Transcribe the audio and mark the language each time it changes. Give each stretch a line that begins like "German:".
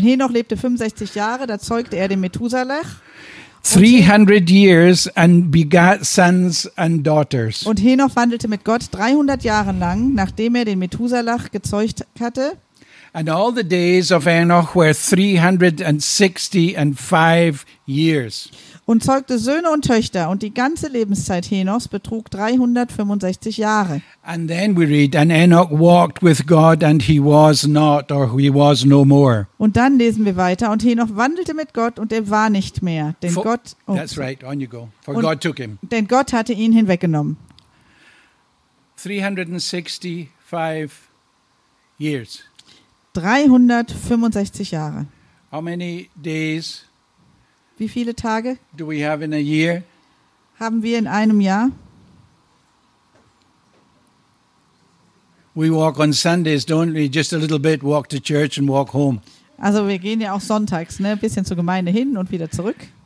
German: Und Henoch lebte 65 Jahre, da zeugte er den Methuselah.
English: 300 years and begat sons and daughters.
German: Und Henoch wandelte mit Gott 300 Jahre lang, nachdem er den Methuselah gezeugt hatte.
English: And all the days of Enoch were 365 years.
German: Und zeugte Söhne und Töchter, und die ganze Lebenszeit Henochs betrug 365 Jahre.
English: And then we read, and Enoch walked with God, and he was not, or he was no more.
German: Und dann lesen wir weiter, und Henoch wandelte mit Gott, und er war nicht mehr, denn Gott.
English: Oh, that's right. On you go. For God took him.
German: Denn Gott hatte ihn hinweggenommen.
English: 365 years.
German: 365 Jahre.
English: How many days?
German: Wie viele Tage?
English: Do we have in a year?
German: Haben wir in einem Jahr?
English: we walk on Sundays, don't we? Just a little bit, walk to church and walk home.
German: Also wir gehen ja auch sonntags, ne? Ein bisschen zur Gemeinde hin und wieder zurück.